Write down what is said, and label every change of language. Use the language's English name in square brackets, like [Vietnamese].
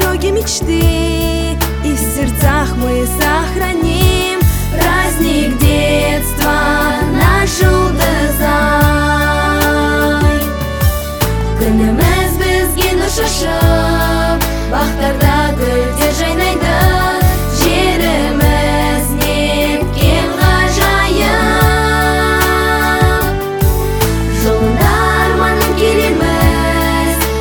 [Russian] Мечты, и в сердцах мы сохраним праздник детства наш Жолдызай. [Kazakh] Күніміз бізге нұш ашып, бақтарда гүлдер жайнайды. Жеріміз неткен ғажайып. Жолында арманым келеміз,